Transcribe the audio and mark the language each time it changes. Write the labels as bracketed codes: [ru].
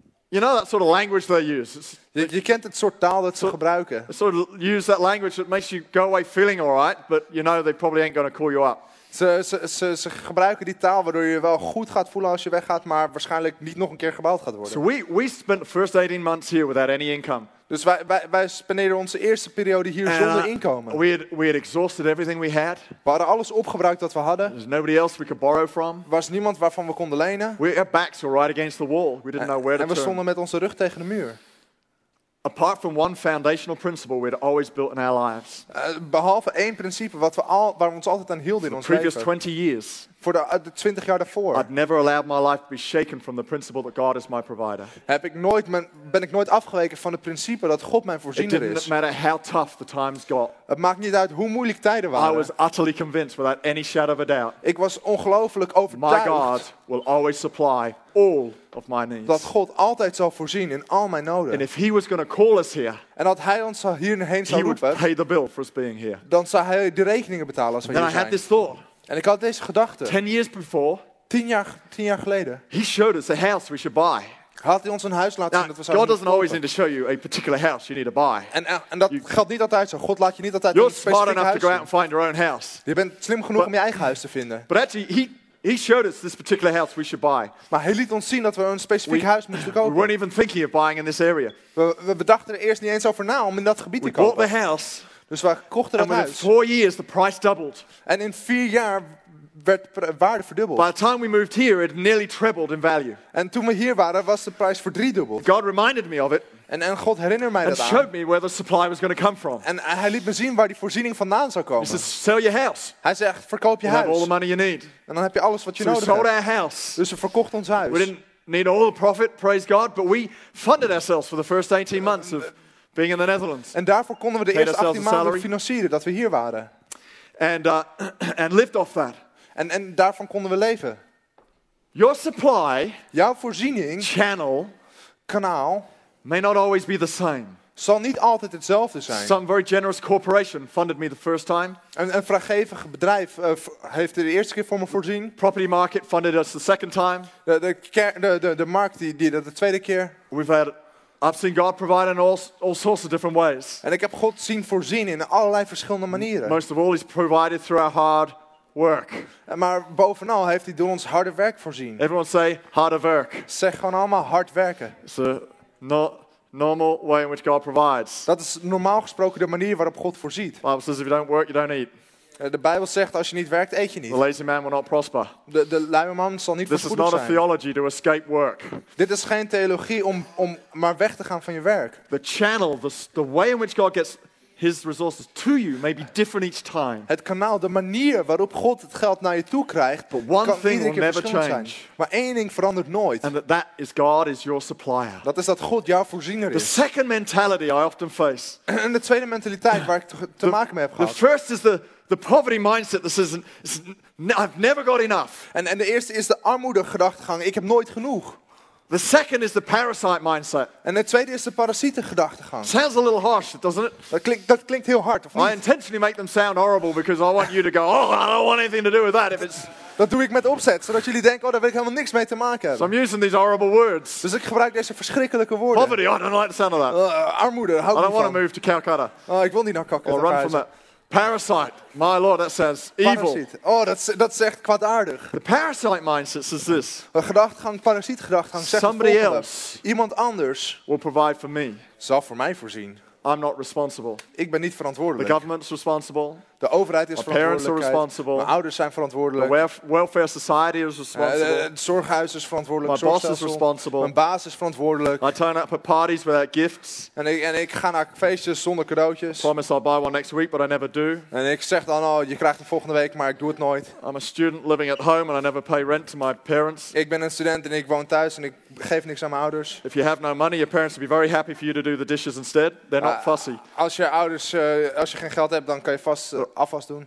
[en] You know that sort of language they use. [nl] Je kent het soort taal dat ze gebruiken. [en] They sort of use that language that makes you go away feeling all right, but you know they probably ain't going to call you up. [nl] Ze gebruiken die taal waardoor je wel goed gaat voelen als je weggaat, maar waarschijnlijk niet nog een keer gebeld gaat worden. [en] So we spent the first 18 months here without any income. [nl] Dus wij spendeerden onze eerste periode hier zonder inkomen. [en] We had exhausted everything we had. [nl] We hadden alles opgebruikt wat we hadden. [en] There's nobody else we could borrow from. [nl] Er was niemand waarvan we konden lenen. [en] Our backs were right against the wall. We didn't know where to turn. [nl] En we stonden met onze rug tegen de muur. [en] Apart from one foundational principle we'd always built in our lives. [nl] Behalve één principe waar we ons altijd aan hielden in ons leven. [en] Previous 20 years. [nl] Voor de 20 jaar daarvoor. [en] I'd never allowed my life to be shaken from the principle that God is my provider. [nl] Ben ik nooit afgeweken van het principe dat God mijn voorziener is. [en] It didn't matter how tough the times got. [nl] Het maakt niet uit hoe moeilijk tijden waren. [en] I was utterly convinced without any shadow of a doubt. [nl] Ik was ongelooflijk overtuigd. [en] My God will always supply all of my needs. [nl] Dat God altijd zal voorzien in al mijn noden. [en] And if he was going to call us here. [nl] En dat hij ons hierheen zou roepen. [en] He would pay the bill for us being here. [nl] Dan zou hij de rekeningen betalen als we hier zijn. [en] I had this thought. [nl] En ik had deze gedachte. 10 jaar geleden. [en] He showed us a house we should buy. [nl] Had hij ons een huis laten zien dat we zouden [en] God doesn't always need to show you a particular house you need to buy. [nl] En dat geldt niet altijd zo. God laat je niet altijd [en] you're [nl] een specifiek huis. [en] You're smart enough to go out and find your own house. [nl] Je bent slim genoeg om je eigen huis te vinden. [en] But actually, he showed us this particular house we should buy. [nl] Maar hij liet ons zien dat we een specifiek huis moesten kopen. [en] We weren't even thinking of buying in this area. [nl] We dachten er eerst niet eens over na om in dat gebied [en] we [nl] te kopen. [en] We bought the house. [nl] Dus we kochten dat huis. [en] 4 years, the price doubled. [nl] En in 4 jaar werd de waarde verdubbeld. [en] By the time we moved here, it nearly trebled in value. [nl] En toen we hier waren, was de prijs verdriedubbeld. [en] God reminded me of it. [nl] En God herinnerde mij dat. [en] And showed me where the supply was going to come from. [nl] En hij liet me zien waar die voorziening vandaan zou komen. [en] He says, sell your house. [nl] Hij zegt, verkoop je [en] we'll [nl] huis. [en] Have all the money you need. [nl] En dan heb je alles wat je [en] so [nl] nodig hebt. [en] We sold our house. [nl] Dus we verkochten ons huis. [en] We didn't need all the profit, praise God, but we funded ourselves for the first 18 months of being in the Netherlands. [nl] En daarvoor konden we de eerste 18 maanden financieren dat we hier waren. [en] And lived off that. [nl] En daarvan konden we leven. [en] Your supply, [nl] jouw voorziening, [en] channel, [nl] kanaal, [en] may not always be the same. [nl] Zal niet altijd hetzelfde zijn. [en] Some very generous corporation funded me the first time. [nl] Een vrijgevig bedrijf heeft de eerste keer voor me voorzien. [en] Property market funded us the second time. [nl] De markt die dat de tweede keer. [en] We've had I've seen God provide in all sorts of different ways. [nl] En ik heb God zien voorzien in allerlei verschillende manieren. [en] Most of all, He's provided through our hard work. [nl] Maar bovenal heeft Hij door ons harde werk voorzien. [en] Everyone say harder work. [nl] Zeg gewoon allemaal hard werken. [en] It's a normal way in which God provides. [nl] Dat is normaal gesproken de manier waarop God voorziet. [en] The Bible says if you don't work, you don't eat. [nl] De Bijbel zegt als je niet werkt, eet je niet. [en] The lazy man will not prosper. [nl] De luie man zal niet [en] This is not a theology to escape work. [nl] Dit is geen theologie om maar weg te gaan van je werk. [en] The channel, the way in which God gets his resources to you may be different each time. [nl] Het kanaal, de manier waarop God het geld naar je toe krijgt, [en] but one [nl] kan [en] thing [nl] iedere [en] will never change. [nl] Zijn. Maar één ding verandert nooit. [en] And that is God is your supplier. [nl] Dat is dat God jouw voorziener is. [en] The second mentality I often face. [nl] En de tweede mentaliteit waar ik te maken mee heb gehad. [en] The first is the poverty mindset that says, I've never got enough. [nl] En de eerste is de armoede gedachtegang. Ik heb nooit genoeg. [en] The second is the parasite mindset. [nl] En de tweede is de parasieten gedachtegang. [en] Sounds a little harsh, doesn't it? [nl] Dat klinkt heel hard. [en] I intentionally make them sound horrible because I want you to go, oh, I don't want anything to do with that. If it's [nl] dat doe ik met opzet, zodat jullie denken, oh, daar wil ik helemaal niks mee te maken hebben. [en] So I'm using these horrible words. [nl] Dus ik gebruik deze verschrikkelijke woorden. [en] Poverty, I don't like the sound of that. [nl] Armoede, hou ik niet van. [en] I don't want to move to Calcutta. [nl] Ik wil niet naar Calcutta. [en] Or run from that. Parasite, my lord, that says evil. [nl] Oh, dat zegt kwaadaardig. [en] The parasite mindset says this. [nl] Een gedachtegang, parasietgedachtegang zegt [en] somebody else. [nl] Iemand anders [en] will provide for me. [nl] Zal voor mij voorzien. [en] I'm not responsible. [nl] Ik ben niet verantwoordelijk. [en] The government's responsible. [nl] De overheid is [en] parents are responsible. [nl] Mijn ouders zijn verantwoordelijk. [en] The welfare society is responsible. [nl] Het zorghuis is verantwoordelijk. [en] My boss is responsible. [nl] Mijn baas is verantwoordelijk. [en] I turn up at parties without gifts. [nl] En ik ga naar feestjes zonder cadeautjes. [en] Promise I'll buy one next week, but I never do. [nl] En ik zeg dan al, je krijgt het volgende week, maar ik doe het nooit. [en] I'm a student living at home and I never pay rent to my parents. [nl] Ik ben een student en ik woon thuis en ik geef niks aan mijn ouders. [en] If you have no money, your parents will be very happy for you to do the dishes instead. They're not fussy. [nl] Als je ouders als je geen geld hebt, dan kan je vast afwas doen.